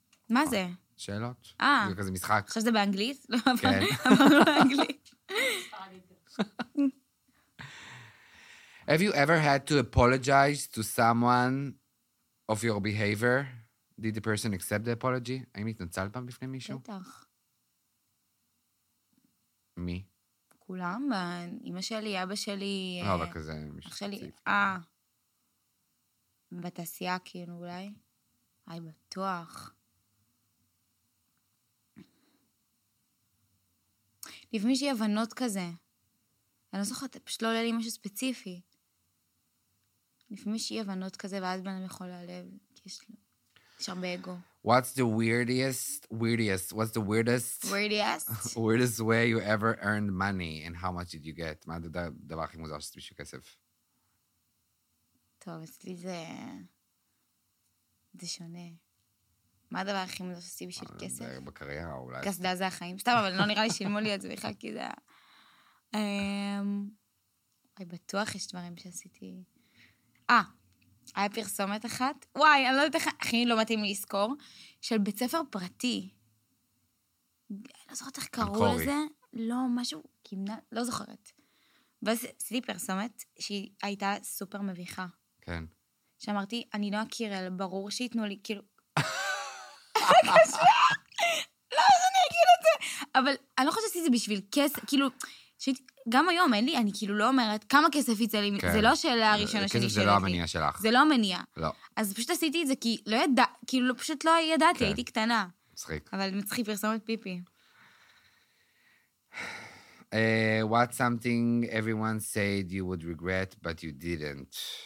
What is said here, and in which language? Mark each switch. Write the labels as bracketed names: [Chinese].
[Hebrew] מה זה? שאלות. אה. זה כזה משחק. עכשיו זה באנגלית? כן. אמרנו באנגלית. [English] Have you ever had to apologize to someone of your behavior? Did the person accept the apology? [Hebrew] האם התנצלת פעם בפני מישהו? בטח. מי? כולם, אמא שלי, אבא שלי. אבא כזה, מישהו. אח שלי, בתעשייה כאילו אולי. היי, בטוח. לפעמים שיהיה הבנות כזה. אני לא זוכרת, פשוט לא עולה לי משהו ספציפי. לפעמים שיהיה הבנות כזה, ואז בן אדם יכול להעלב, כי יש לו... יש הרבה אגו. [English] What's the weirdest, what's the weirdest... Weirdest way you ever earned money, and how much did you get? [Hebrew] מה זה הדבר הכי מוזר שאתה בשביל כסף? טוב, אצלי זה... זה שונה. מה הדבר הכי מודע שעשי בשביל כסף? בקריירה אולי. כסדה זה החיים. סתם, אבל לא נראה לי שילמו לי את זה בכלל, כי זה היה... אני בטוח יש דברים שעשיתי. היה פרסומת אחת. וואי, אני לא יודעת איך, הכי לא מתאים לי לזכור, של בית ספר פרטי. אני לא זוכרת איך קראו לזה. לא, משהו, לא זוכרת. ואז עשיתי פרסומת שהיא הייתה סופר מביכה. כן. שאמרתי, אני לא אכיר, אלא ברור שיתנו לי, כאילו... אבל אני לא חושבת שעשיתי זה בשביל כסף, כאילו, שהייתי, גם היום אין לי, אני כאילו לא אומרת, כמה כסף יצא לי, זה לא השאלה הראשונה שלי. כסף זה לא המניע שלך. זה לא המניע. לא. אז פשוט עשיתי את זה, כי לא ידע, כאילו פשוט לא ידעתי, הייתי קטנה. מצחיק. אבל מצחיק, פרסומת פיפי. [English] What's something everyone said you would regret, but you didn't?